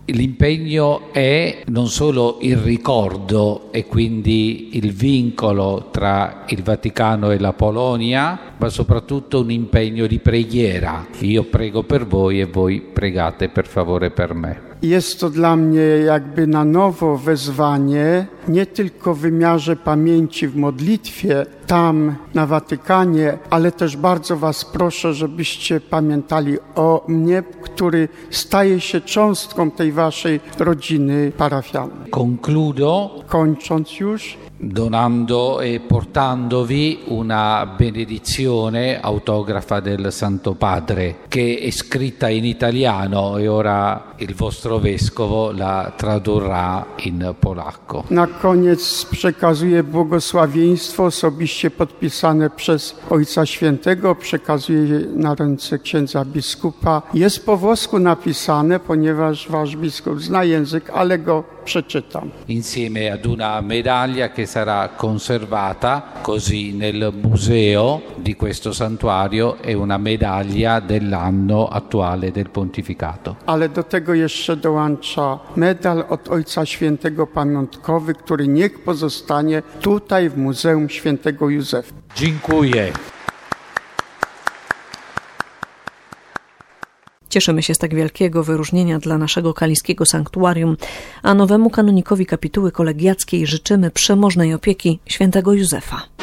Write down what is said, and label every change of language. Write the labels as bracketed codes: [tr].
[it] L'impegno è non solo il ricordo e quindi il vincolo tra il Vaticano e la Polonia, ma soprattutto un impegno di preghiera. Io prego per voi e voi pregate per favore per me. [pl] Jest to dla mnie jakby na nowo wezwanie, nie tylko w wymiarze pamięci w modlitwie tam na Watykanie, ale też bardzo was proszę, żebyście pamiętali o mnie, który staje się cząstką tej waszej rodziny parafialnej. [it] Concludo. [pl] Kończąc już. [it] Donando e portandovi una benedizione autografa del Santo Padre, che è scritta in italiano e ora il vostro vescovo la tradurrà in polacco. [pl] Na koniec przekazuję błogosławieństwo osobiście podpisane przez Ojca Świętego, przekazuję na ręce księdza biskupa. Jest po włosku napisane, ponieważ wasz biskup zna język, ale go przeczytam. [it] Insieme ad una medaglia che sarà conservata così nel museo di questo santuario, è una medaglia dell'anno attuale del pontificato. [pl] Ale do tego jeszcze dołącza medal od Ojca Świętego pamiątkowy, który niech pozostanie tutaj w Muzeum Świętego Józefa. Dziękuję. Cieszymy się z tak wielkiego wyróżnienia dla naszego kaliskiego sanktuarium, a nowemu kanonikowi kapituły kolegiackiej życzymy przemożnej opieki świętego Józefa.